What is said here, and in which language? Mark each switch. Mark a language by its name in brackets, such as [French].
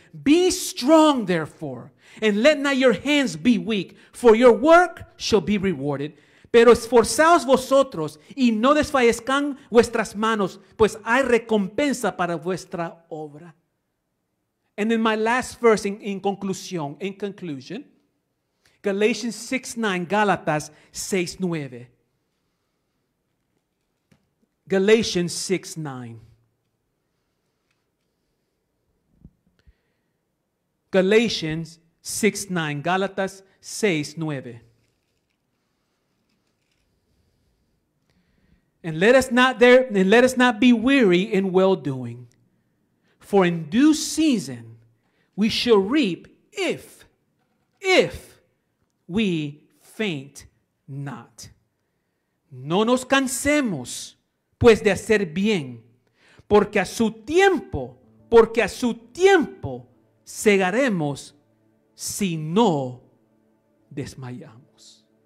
[English] Be strong therefore, and let not your hands be weak, for your work shall be rewarded. [Spanish] Pero esforzaos vosotros y no desfallezcan vuestras manos, pues hay recompensa para vuestra obra. [English] And in my last verse, in conclusion, Galatians 6:9, Galatas 6:9. Galatians 6:9. Galatians 6:9, Galatas 6:9. And let us not be weary in well doing, for in due season we shall reap if we faint not. [Spanish] No nos cansemos pues de hacer bien, porque a su tiempo segaremos si no desmayamos.